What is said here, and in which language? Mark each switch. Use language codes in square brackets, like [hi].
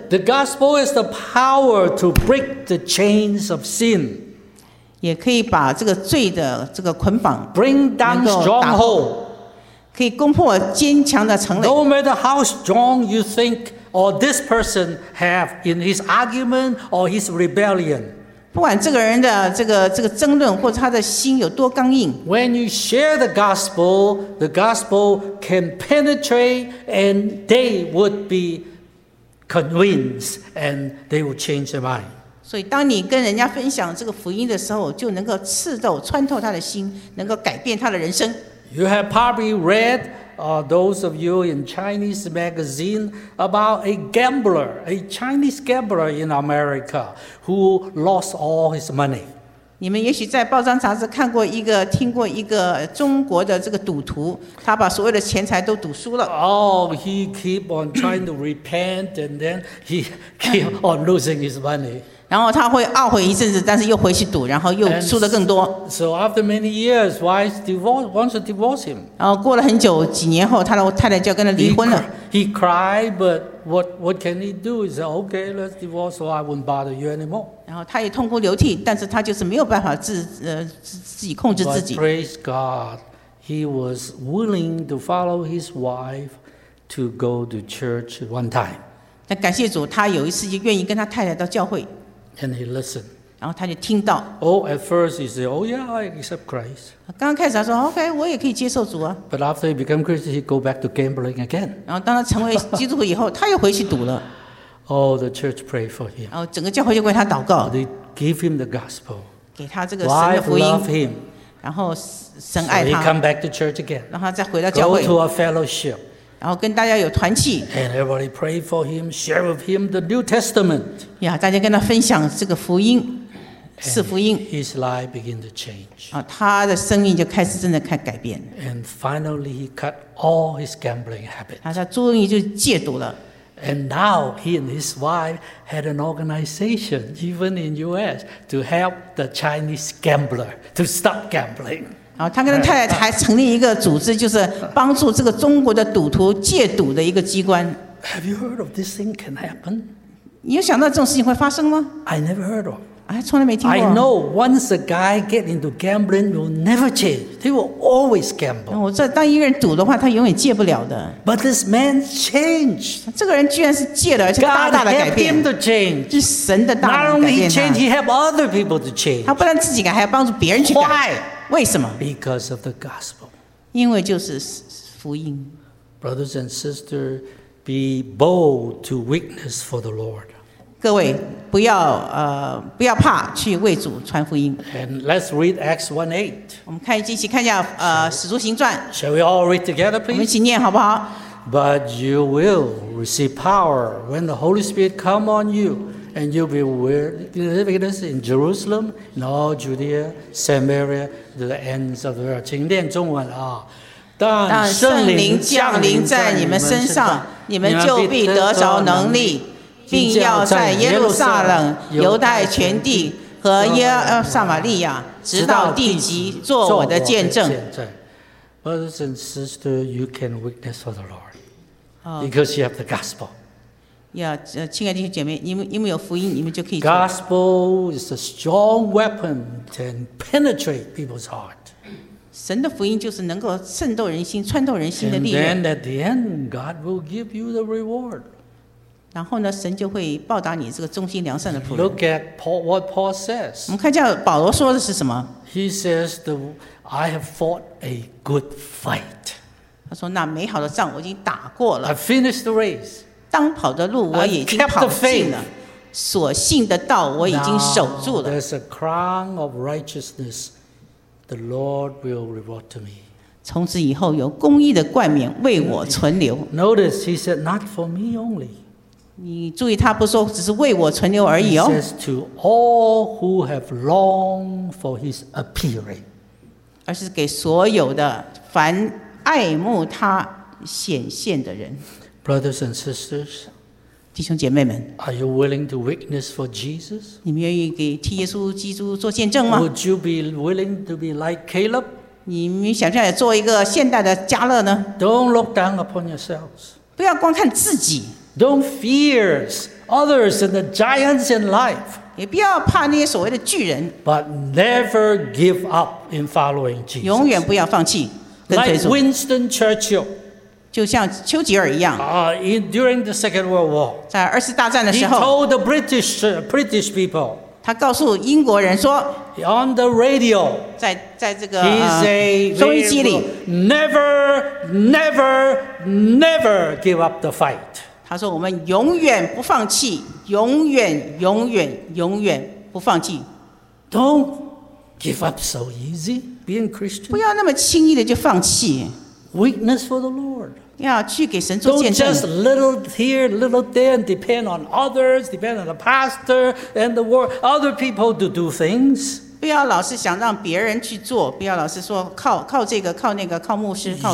[en] The gospel is the power to break the chains of sin. [zh] 也可以把这个罪的这个捆绑 [en] bring down stronghold. [zh] 可以攻破坚强的城垒。 [en] No matter how strong you think or this person have in his argument or his rebellion. [zh] 不管这个人的这个争论或者他的心有多刚硬 [en] When you share the gospel can penetrate and they would be convinced and they would change their mind. [zh] 所以当你跟人家分享这个福音的时候就能够刺透穿透他的心能够改变他的人生 [en] You have probably read those of you in Chinese magazine about a gambler, a Chinese gambler in America who lost all his money. [zh] 你们也许在报章杂志看过一个、听过一个中国的这个赌徒，他把所有的钱财都赌输了。 [en] Oh, he keep on trying to repent, and then he keep on losing his money. [zh] 然后他会懊悔一阵子，但是又回去赌，然后又输得更多。 [en] So after many years, wife divorced, wants to divorce him. [zh] 然后过了很久，几年后，他的太太就要跟他离婚了。 [en] He cried, but what can he do? He said, "Okay, let's divorce, so I won't bother you anymore." [zh] 然后他也痛哭流涕，但是他就是没有办法自己控制自己。 [en] But praise God, he was willing to follow his wife to go to church one time. [zh] 但感谢主，他有一次就愿意跟他太太到教会。 [en] And he listened. [zh] 然后他就听到。 [en] Oh, at first he said, "Oh yeah, I accept Christ." [zh] 刚开始他说 ，Okay, 我也可以接受主啊。 [en] But after he became Christian, he go back to gambling again. [zh] 然后当他成为基督徒以后，他又回去赌了。 [en] Oh, the church prayed for him. [zh] 然后整个教会就为他祷告。 [en] They give him the gospel. [zh] 给他这个神的福音。 [en] Wife love him. [zh] 然后神爱他。 [en] So he come back to church again. [zh] 然后再回到教会。 [en] Go to a fellowship. [zh] 然后跟大家有团契。 [en] And everybody pray for him, share with him the New Testament. [zh] 呀，大家跟他分享这个福音，是福音。 [en] His life began to change. [zh] 啊，他的生命就开始真的开改变。 [en] And finally, he cut all his gambling habits. [zh] 他终于就戒赌了。 [en] And now he and his wife had an organization, even in U.S., to help the Chinese gambler to stop gambling. [zh] 啊，他跟他太太还成立一个组织，就是帮助这个中国的赌徒戒赌的一个机关。 [en] Have you heard of this thing can happen? [zh] 你有想到这种事情会发生吗 [en] ？I never heard of. [zh] 哎，从来没听过。 [en] I know once a guy get into gambling, will never change. He will always gamble. [zh] 我这当一个人赌的话，他永远戒不了的。 [en] But this man changed. [zh] 这个人居然是戒了，而且大大的改变。 [en] God help him to change. [zh] 是神的大能改变。 [en] Not only change, he help other people to change. [zh] 他不但自己改，还要帮助别人去改。 [en] Why? [zh] 为什么 [en] ？Because of the gospel. [zh] 因为就是福音。 [en] Brothers and sisters, be bold to witness for the Lord. [zh] 各位不要不要怕去为主传福音。 [en] And let's read Acts 1:8. [zh] 我们看一起看一下使徒行传。 [en] Shall we all read together, please? [zh] 我们一起念好不好 [en] ？But you will receive power when the Holy Spirit come on you. And you'll be witness in Jerusalem, in all Judea, Samaria, to the ends of the earth. [zh] 请念中文啊！但圣灵降临在你们身上，你们就必得着能力，并要在耶路撒冷、犹太全地和撒玛利亚，直到地极，做我的见证。 [en] Brothers and sisters, you can witness for the Lord because you have the gospel. [zh] 亲爱的弟兄姐妹，因为有福音，你们就可以。 [en] Gospel is a strong weapon to penetrate people's heart. [zh] 神的福音就是能够渗透人心、穿透人心的力量。 [en] And then at the end, God will give you the reward. [zh] 然后呢，神就会报答你这个忠心良善的仆人。 [en] Look at Paul, what Paul says. [zh] 我们看一下保罗说的是什么。 [en] He says, "I have fought a good fight." [zh] 他说：“那美好的仗我已经打过了。 [en] I finished the race. [zh] 当跑的路我已经跑尽了，所信的道我已经守住了。 [en] There's a crown of righteousness, the Lord will reward to me. [zh] 从此以后有公义的冠冕为我存留。 [en] Notice he said not for me only. [zh] 你注意他不说只是为我存留而已哦。 [en] He says to all who have longed for his appearing. [zh] 而是给所有的凡爱慕他显现的人。 [en] Brothers and sisters, [zh] 弟兄姐妹们 [en] are you willing to witness for Jesus? [zh] 你们愿意给替耶稣基督做见证吗 [en] ？Would you be willing to be like Caleb? [zh] 你们想象做一个现代的迦勒呢 [en] ？Don't look down upon yourselves. [zh] 不要光看自己。 [en] Don't fear others and the giants in life. [zh] 也不要怕那些所谓的巨人。 [en] But never give up in following Jesus. [zh] 永远不要放弃跟随主。 [en] Like Winston Churchill. [zh] 就像丘吉尔一样。 [en] During the Second World War, [zh] 在二次大战的时候 [en] ，He told the British people, [zh] 他告诉英国人说 [en] ，On the radio, [zh] 在这个收音机里 [en] ，Never, never, never give up the fight. [zh] 他说我们永远不放弃，永远永远永远不放弃。 [en] Don't give up so easy, being Christian. [zh] 不要那么轻易的就放弃。 [en] weakness for the Lord. [zh] 要去给神做见证。 [en] Don't just little here, little there, and depend on others, depend on the pastor and the world, other people to do things. [zh] 不要老是想让别人去做，不要老是说靠这个、靠那个、靠牧师、靠。